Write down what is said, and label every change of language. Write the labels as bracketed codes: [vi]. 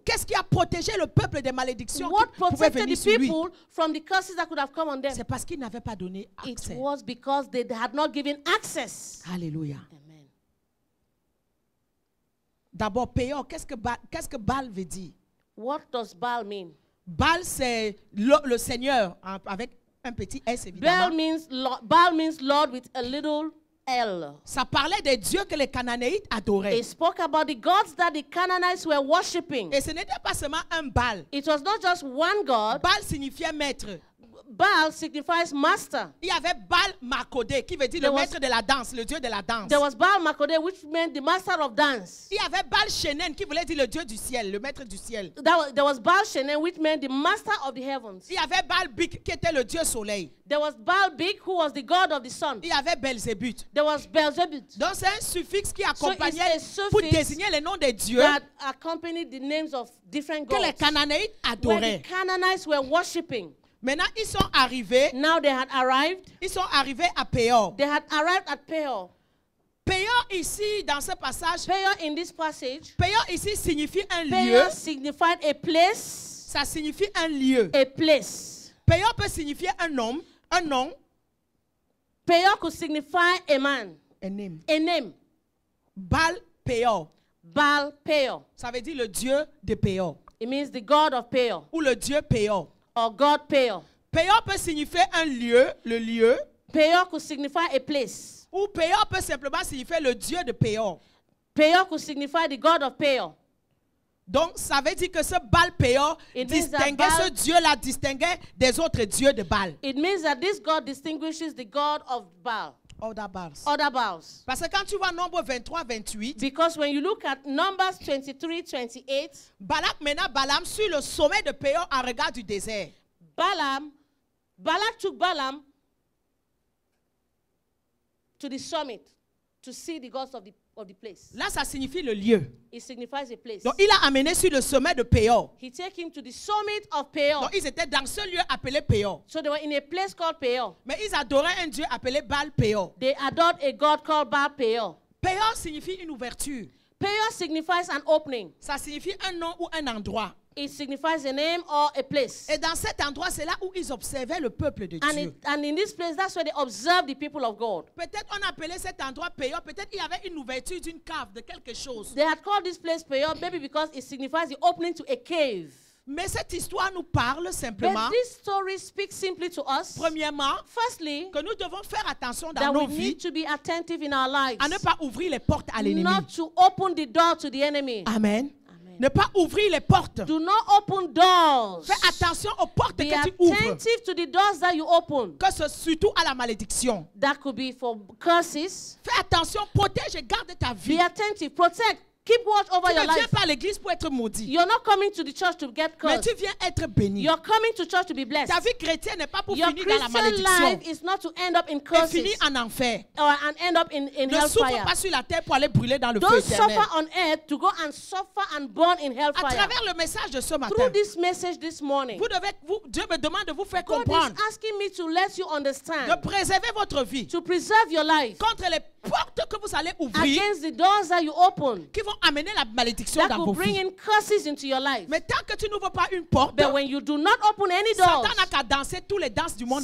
[fr] Qu'est-ce qui a protégé le peuple des malédictions? [en] What protected the people from the curses that could have come on them? [fr] C'est parce qu'ils n'avaient pas donné accès. [en] It was because they had not given access. [fr] Alléluia. [en] Amen. [fr] D'abord Peor, qu'est-ce que Baal veut dire? [en] What does Baal mean? [fr] Baal c'est le seigneur avec un petit S, évidemment. [en] Baal means Lord with a little L. [fr] Ça parlait des dieux que les Cananéites adoraient. [en] It spoke about the gods that the Canaanites were worshipping. [fr] Et ce n'était pas seulement un Baal. [en] It was not just one god. [fr] Baal signifiait maître. [en] Baal signifies master. [fr] Il y avait Baal Makode, qui veut dire there le maître de la danse, le dieu de la danse. [en] There was Baal Makode, which meant the master of dance. [fr] Il y avait Baal Shenen, qui voulait dire le dieu du ciel, le maître du ciel. [en] There was Baal Shenen, which meant the master of the heavens. [fr] Il y avait Baal Big, qui était le dieu soleil. [en] There was Baal Big, who was the god of the sun. [fr] Il y avait Belzebuth. [en] There was Belzebuth. [fr] Donc c'est un suffixe qui accompagnait [en] so suffix [fr] pour désigner les noms des dieux. [en] That accompanied the names of different gods. [fr] Que les Canaanites adoraient. [en] Where the Canaanites were worshipping. [fr] Maintenant, ils sont arrivés. [en] Now they had arrived. [fr] Ils sont arrivés à Peor. [en] They had arrived at Peor. [fr] Peor ici dans ce passage. [en] Peor in this passage. [fr] Peor ici signifie un [en] Peor [fr] lieu. [en] Signified a place. [fr] Ça signifie un lieu. [en] A place. [fr] Peor peut signifier un homme, un nom. [en] Peor could signify a man. A name. A name. [fr] Baal Peor. [en] Baal Peor. [fr] Ça veut dire le dieu de Peor. [en] It means the god of Peor. [fr] Ou le dieu Peor. [en] Or God Peor. [fr] Peor peut signifier un lieu, le lieu. [en] Peor could signify a place. [fr] Ou Peor peut simplement signifier le dieu de Peor. [en] Peor could signify the god of Peor. [fr] Donc ça veut dire que ce Baal Peor distinguait ce dieu-là distinguait des autres dieux de Baal. [en] It means that this god distinguishes the god of Baal. Other Baals. Other Baals. [fr] Parce que quand tu vois Nombre 23, 28. [en] Because when you look at Numbers 23, 28. [fr] Balak mena Balaam sur le sommet de Peor en regard du désert. [en] Balaam. Balak took Balaam to the summit to see the gods of the place. [fr] Là, ça signifie le lieu. [en] It signifies a place. [fr] Donc, il a amené sur le sommet de Peor. [en] He took him to the summit of Peor. [fr] Donc, ils étaient dans ce lieu appelé Peor. [en] So they were in a place called Peor. [fr] Mais ils adoraient un dieu appelé Baal Peor. [en] They adored a god called Baal Peor. [fr] Peor signifie une ouverture. [en] Peor signifies an opening. [fr] Ça signifie un nom ou un endroit. [en] It signifies a name or a place. [fr] Et dans cet endroit, c'est là où ils observaient le peuple de [en] and [fr] Dieu. [en] And in this place, that's where they observed the people of God. [fr] Peut-être on appelait cet endroit Peor. Peut-être il y avait une ouverture d'une cave, de quelque chose. [en] They had called this place Peor, maybe because it signifies the opening to a cave. [fr] Mais cette histoire nous parle simplement. [en] But this story speaks simply to us. [fr] Premièrement, [en] firstly, [fr] que nous devons faire attention dans nos vies. [en] That we need to be attentive in our lives. [fr] À ne pas ouvrir les portes à l'ennemi. [en] Not to open the door to the enemy. Amen. [fr] Ne pas ouvrir les portes. [en] Do not open doors. [fr] Fais attention aux portes [en] be [fr] que tu ouvres. [en] Be attentive to the doors that you open. [fr] Que ce surtout à la malédiction. [en] That could be for curses. [fr] Fais attention, protège et garde ta vie. [en] Be attentive, protect, Keep watch over [fr] tu [en] your life. [fr] Tu ne viens pas à l'église pour être maudit. [en] You're not coming to the church to get cursed. [fr] Mais tu viens être béni. [en] You're coming to church to be blessed. [fr] Ta vie chrétienne n'est pas pour [en] your [fr] finir dans la malédiction. [en] Your Christian life is not to end up in curses. [fr] Et finir en enfer. [en] Or and end up in [fr] ne [en] hellfire. [fr] Ne souffre pas sur la terre pour aller brûler dans le [en] don't [fr] feu éternel. [en] Don't suffer on earth to go and suffer and burn in hellfire. [fr] À travers le message de ce matin. [en] Through this message this morning. [fr] Vous devez, vous, Dieu me demande de vous faire [en] God [fr] comprendre. [en] God is asking me to let you understand. [fr] De préserver votre vie. [en] To preserve your life. [fr] Contre les portes que vous allez ouvrir. [en] Against the doors that you open. [fr] Qui vont amener la malédiction [en] that [fr] dans [en] will [fr] vos [en] bring [fr] vies. [en] In curses into your life. [fr] Mais tant que tu n'ouvres pas une porte, [en] but when you do not open any doors, [fr] Satan n'a qu'à danser toutes les danses du monde